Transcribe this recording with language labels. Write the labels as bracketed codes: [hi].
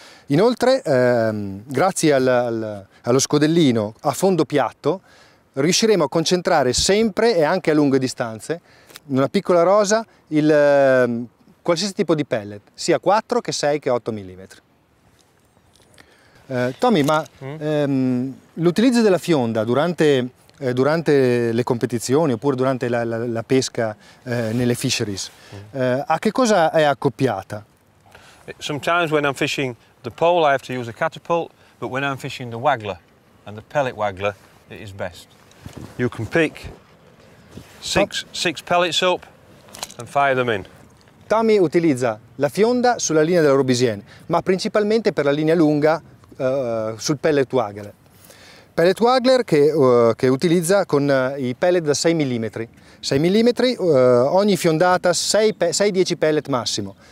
[it] Inoltre, grazie allo scodellino a fondo piatto, riusciremo a concentrare sempre e anche a lunghe distanze in una piccola rosa qualsiasi tipo di pellet, sia 4 che 6 che 8 mm. Tommy, ma l'utilizzo della fionda durante le competizioni oppure durante la pesca nelle fisheries, a che cosa è accoppiata? [en] Sometimes when I'm fishing the pole I have to use a catapult, but when I'm fishing the waggler and the pellet waggler it is best. You can pick six pellets up and fire them in. [it] Tommy utilizza la fionda sulla linea della Robisienne, ma principalmente per la linea lunga sul pellet waggler. Pellet waggler che utilizza con i pellet da 6 mm. 6 mm ogni fiondata, 6-10 pellet massimo.